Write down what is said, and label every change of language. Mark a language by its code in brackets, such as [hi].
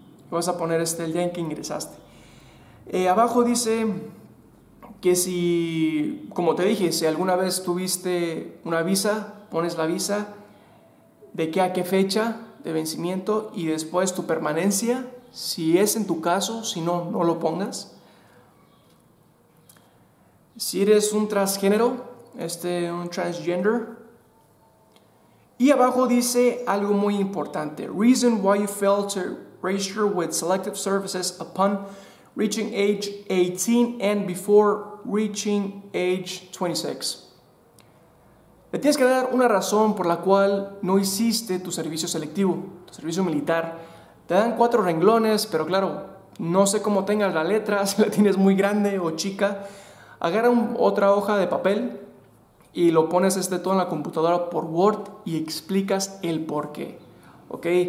[es] Vas a poner el día en que ingresaste. Abajo dice que si, como te dije, si alguna vez tuviste una visa, pones la visa, de qué a qué fecha de vencimiento y después tu permanencia, si es en tu caso, si no, no lo pongas. Si eres un transgénero, un transgender. Y abajo dice algo muy importante. [en] Reason why you failed to register with Selective Services upon reaching age 18 and before reaching age 26. [es] Le tienes que dar una razón por la cual no hiciste tu servicio selectivo, tu servicio militar. Te dan 4 renglones, pero claro, no sé cómo tengas la letra, si la tienes muy grande o chica. Agarra otra hoja de papel y lo pones todo en la computadora por Word y explicas el porqué, ¿ok?